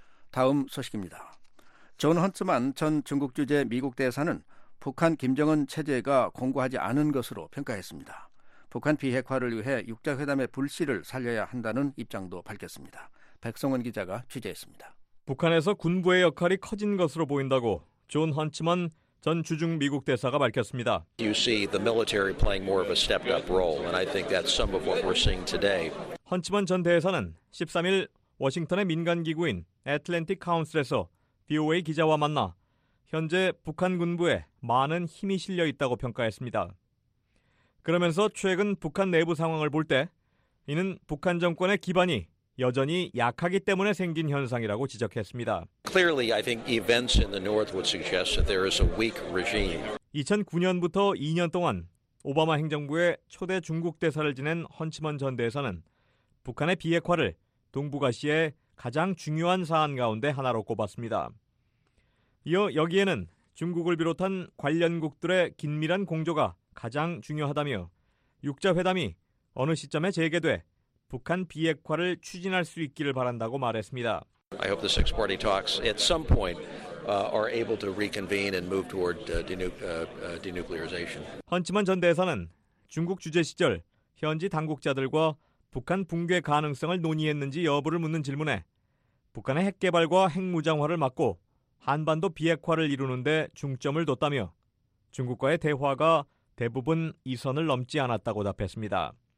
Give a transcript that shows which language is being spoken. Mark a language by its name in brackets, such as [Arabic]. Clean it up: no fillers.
[Korean] 다음 소식입니다. 존 헌트만 전 중국 주재 미국 대사는 북한 김정은 체제가 공고하지 않은 것으로 평가했습니다. 북한 비핵화를 위해 6자회담의 불씨를 살려야 한다는 입장도 밝혔습니다. 백성원 기자가 취재했습니다. 북한에서 군부의 역할이 커진 것으로 보인다고 존 헌츠먼 전 주중 미국 대사가 밝혔습니다. [English] You see the military playing more of a stepped-up role, and I think that's some of what we're seeing today. [Korean] 헌츠먼 전 대사는 13일 워싱턴의 민간기구인 애틀랜틱 카운슬에서 VOA 기자와 만나 현재 북한 군부에 많은 힘이 실려 있다고 평가했습니다. 그러면서 최근 북한 내부 상황을 볼 때 이는 북한 정권의 기반이 여전히 약하기 때문에 생긴 현상이라고 지적했습니다. [English] Clearly, I think events in the north would suggest that there is a weak regime. [Korean] 2009년부터 2년 동안 오바마 행정부의 초대 중국 대사를 지낸 헌츠먼 전 대사는 북한의 비핵화를 동북아시아의 가장 중요한 사안 가운데 하나로 꼽았습니다. 이어 여기에는 중국을 비롯한 관련국들의 긴밀한 공조가 가장 중요하다며 6자회담이 어느 시점에 재개돼 북한 비핵화를 추진할 수 있기를 바란다고 말했습니다. [English] I hope the six party talks at some point are able to reconvene and move toward denuclearization. [Korean] 헌츠먼 전 대사는 중국 주재 시절 현지 당국자들과 북한 붕괴 가능성을 논의했는지 여부를 묻는 질문에 북한의 핵 개발과 핵 무장화를 막고 한반도 비핵화를 이루는 데 중점을 뒀다며 중국과의 대화가 대부분 이 선을 넘지 않았다고 답했습니다.